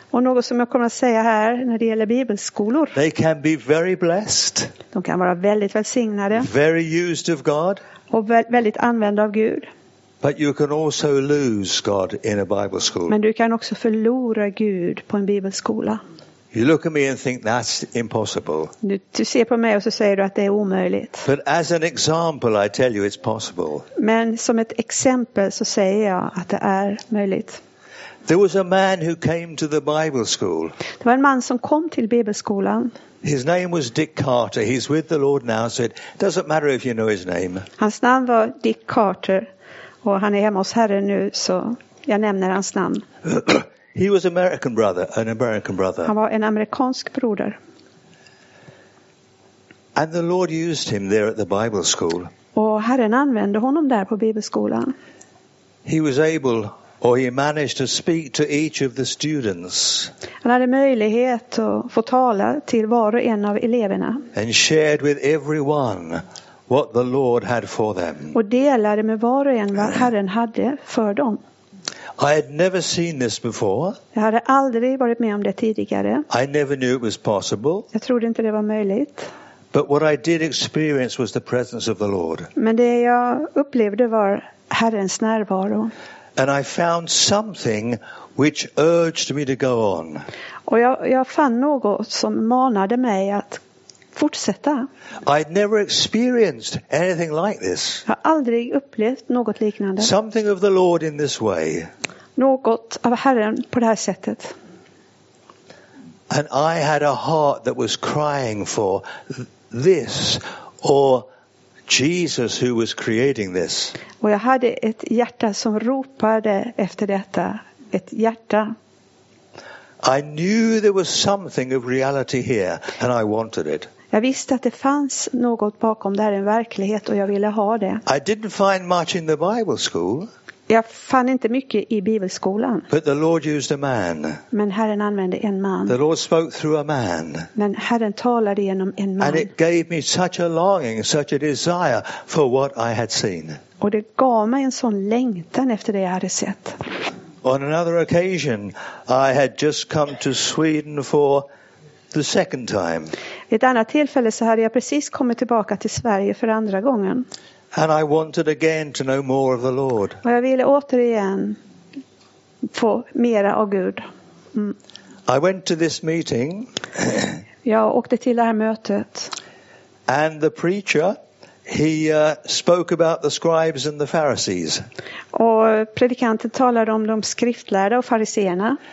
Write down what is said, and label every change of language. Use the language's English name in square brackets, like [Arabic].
[Swedish] Och något som jag kommer att säga här när det gäller bibelskolor. [English] They can be very blessed. [Swedish] De kan vara väldigt välsignade. [English] Very used of God. [Swedish] Och väldigt använda av Gud. [English] But you can also lose God in a Bible school. [Swedish] Men du kan också förlora Gud på en bibelskola. [English] You look at me and think that's impossible. [Swedish] Du ser på mig och så säger du att det är omöjligt. [English] But as an example, I tell you it's possible. [Swedish] Men som ett exempel så säger jag att det är möjligt. [English] There was a man who came to the Bible school. [Swedish] Det var en man som kom till bibelskolan. [English] His name was Dick Carter. He's with the Lord now, so it doesn't matter if you know his name. [Swedish] Hans namn var Dick Carter, och han är hemma hos Herren nu, så jag nämner hans namn. [English] He was American brother, an American brother. [Swedish] Han var en amerikansk broder. [English] And the Lord used him there at the Bible school. [Swedish] Och Herren använde honom där på bibelskolan. [English] He was able, or he managed to speak to each of the students. [Swedish] Han hade möjlighet att få tala till var och en av eleverna. [English] And shared with everyone what the Lord had for them. [Swedish] Och delade med var och en vad Herren hade för dem. [English] I had never seen this before. [Swedish] Jag hade aldrig varit med om det tidigare. [English] I never knew it was possible. [Swedish] Jag trodde inte det var möjligt. [English] But what I did experience was the presence of the Lord. [Swedish] Men det jag upplevde var Herrens närvaro. [English] And I found something which urged me to go on. [Swedish] Och jag fann något som manade mig att fortsätta. [English] I'd never experienced anything like this. [Swedish] Jag har aldrig upplevt något liknande. [English] Something of the Lord in this way. [Swedish] Något av Herren på det här sättet. [English] And I had a heart that was crying for this or Jesus who was creating this. [Swedish] Och jag hade ett hjärta som ropade efter detta, ett hjärta. [English] I knew there was something of reality here and I wanted it. [Swedish] Jag visste att det fanns något bakom där, en verklighet, och jag ville ha det. [English] I didn't find much in the Bible school. [Swedish] Jag fann inte mycket i bibelskolan. [English] But the Lord used a man. [Swedish] Men Herren använde en man. [English] The Lord spoke through a man. [Swedish] Men Herren talade genom en man. [English] And it gave me such a longing, such a desire for what I had seen. [Swedish] Och det gav mig en sån längtan efter det jag hade sett. [English] On another occasion, I had just come to Sweden for the second time. [Swedish] Ett annat tillfälle så hade jag precis kommit tillbaka till Sverige för andra gången. [English] And I wanted again to know more of the Lord. [Swedish] Och jag ville återigen få mera av Gud. [English] I went to this meeting. [Swedish] Jag åkte till det här mötet. [English] And the preacher, he spoke about the scribes and the Pharisees. [Swedish] Och predikanten talade om de skriftlärda och fariseerna.